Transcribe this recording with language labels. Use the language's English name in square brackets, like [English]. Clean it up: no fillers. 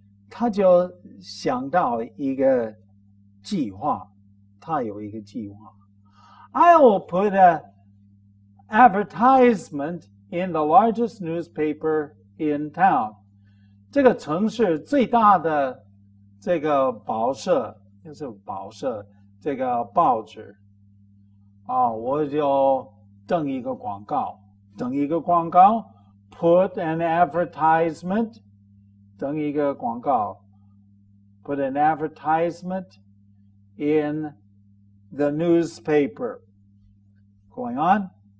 [Chinese] 他就想到一个计划,他有一个计划。 [English] I'll put an advertisement in the largest newspaper in town. [Chinese] 这个城市最大的这个报社,就是报社,这个报纸。我就登一个广告。登一个广告 , [English] put an advertisement, [Chinese] 登一个广告 , [English] put an advertisement in the newspaper. Going on.